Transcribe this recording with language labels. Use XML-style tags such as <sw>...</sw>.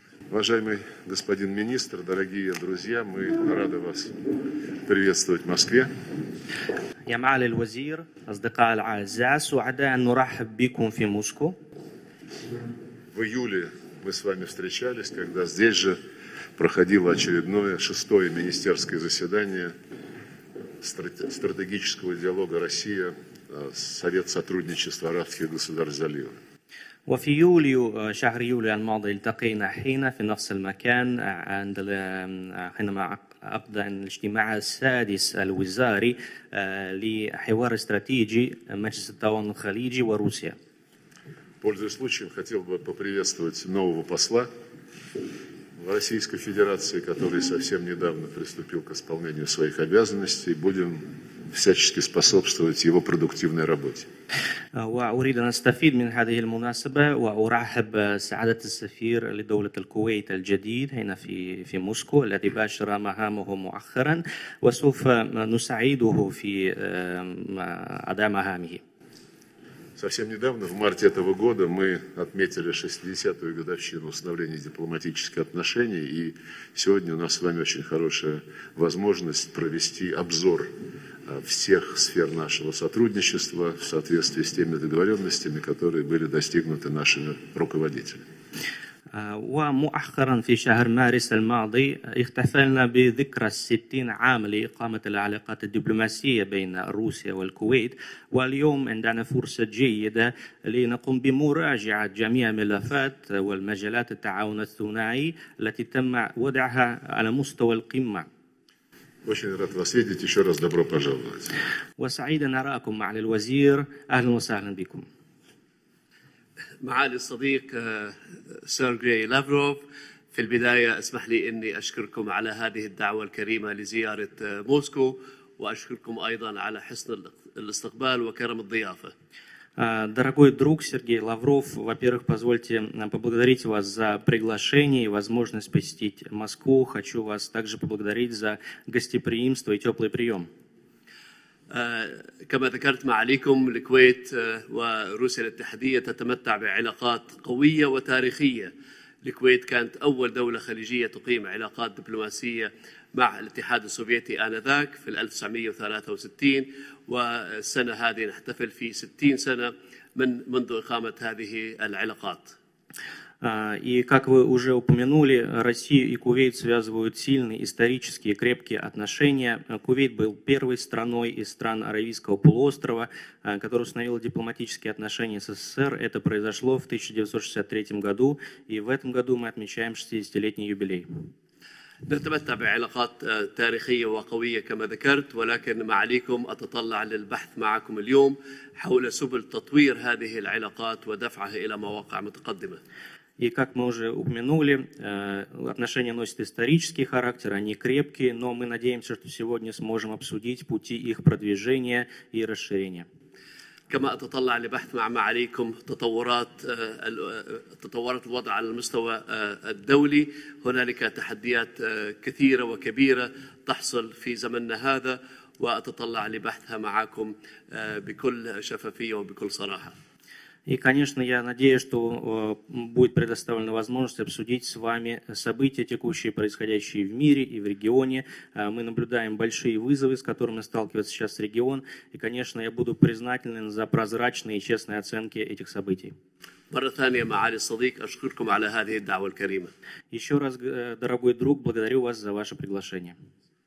<ru>Уважаемый господин министр, дорогие друзья, мы рады вас приветствовать в Москве.</ru> <ar>يا معالي الوزير، أصدقاء الأعزاء، سعداء أن نرحب بكم في موسكو.</ar> <ru>В июле мы с вами встречались, когда здесь же проходило очередное шестое министерское заседание стратегического диалога Россия Совет сотрудничества арабских государств залива.</ru> <ar>وفي يوليو شهر يوليو الماضي التقينا حين في نفس المكان عند حينما أقضى الاجتماع السادس الوزاري لحوار استراتيجي مجلس التعاون الخليجي وروسيا.</ar> <ru>Пользуясь случаем, хотел бы поприветствовать нового посла в Российской Федерации, который совсем недавно приступил к исполнению своих обязанностей. Будем всячески способствовать его продуктивной работе.</ru> <ar>وأريد أن أستفيد من هذه المناسبة وأرحب سعادة السفير لدولة الكويت الجديد هنا في موسكو الذي باشر مهامه مؤخرا وسوف نساعده في أداء مهامه.</ar> <ru>Совсем недавно, в марте этого года, мы отметили 60-ю годовщину установления дипломатических отношений, и сегодня у нас с вами очень хорошая возможность провести обзор всех сфер нашего сотрудничества в соответствии с теми договоренностями, которые были достигнуты нашими руководителями.</ru> <ar>ومؤخرا في شهر مارس الماضي احتفلنا بذكرى 60 عام لإقامة العلاقات الدبلوماسية بين روسيا والكويت واليوم عندنا فرصة جيدة لنقوم بمراجعة جميع ملفات والمجالات التعاون الثنائي التي تم وضعها على مستوى القمة.</ar> <ru>Очень рад вас видеть. Еще раз добро пожаловать.</ru> <ar>وسعيد أن أراكم معالي الوزير. أهلا وسهلا بكم. معالي الصديق سيرغي لافروف، في البداية اسمح لي أني أشكركم على هذه الدعوة الكريمة لزيارة موسكو وأشكركم أيضا على حسن الاستقبال وكرم الضيافة.</ar> <ru>Дорогой друг Сергей Лавров, во-первых, позвольте поблагодарить вас за приглашение и возможность посетить Москву. Хочу вас также поблагодарить за гостеприимство и теплый прием.</ru> <ar>كما ذكرت معاليكم، الكويت وروسيا الاتحادية تتمتع بعلاقات قوية وتاريخية. الكويت كانت أول دولة خليجية تقيم علاقات دبلوماسية مع الاتحاد السوفيتي آنذاك في 1963، والسنة هذه نحتفل في 60 سنة منذ إقامة هذه العلاقات.</ar> <ru>И как вы уже упомянули, Россию и Кувейт связывают сильные исторические крепкие отношения. Кувейт был первой страной из стран Аравийского полуострова, которая установила дипломатические отношения с СССР. Это произошло в 1963 году, и в этом году мы отмечаем 60-летний юбилей.</ru> <ar>نتمتع بعلاقات تاريخية وقوية كما ذكرت، ولكن مع عليكم أتطلع للبحث معكم اليوم حول سبل تطوير هذه العلاقات ودفعها إلى مواقع متقدمة.</ar> <ru>И как мы уже упомянули, отношения носят исторический характер, они крепкие, но мы надеемся, что сегодня сможем обсудить пути их продвижения и расширения.</ru> <ar>كما أتطلع لبحث مع معاليكم تطورات الوضع على المستوى الدولي، هنالك تحديات كثيرة وكبيرة تحصل في زمننا هذا، وأتطلع لبحثها معكم بكل شفافية وبكل صراحة.</ar> <ru>И, конечно, я надеюсь, что будет предоставлена возможность обсудить с вами события, текущие, происходящие в мире и в регионе. Мы наблюдаем большие вызовы, с которыми сталкивается сейчас регион. И, конечно, я буду признателен за прозрачные и честные оценки этих событий.</ru> <ar>مرة ثانية معالي الصديق أشكركم على هذه الدعوة الكريمة.</ar> <ru>Еще раз, дорогой друг, благодарю вас за ваше приглашение.</ru>